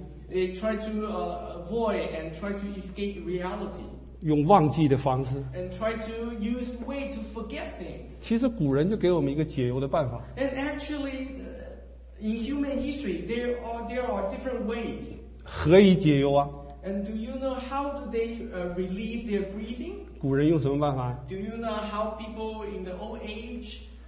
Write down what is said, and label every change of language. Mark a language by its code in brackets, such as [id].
[en] They try to avoid and try to escape reality. [zh] 用忘记的方式。 [en] And try to use way to forget things. [zh] 其实古人就给我们一个解忧的办法。 [en] And actually, in human history, there are different ways. [zh] 何以解忧啊？ [en] And do you know how do they relieve their grieving? [zh] 古人用什么办法？ [en] Do you know how people in the old age?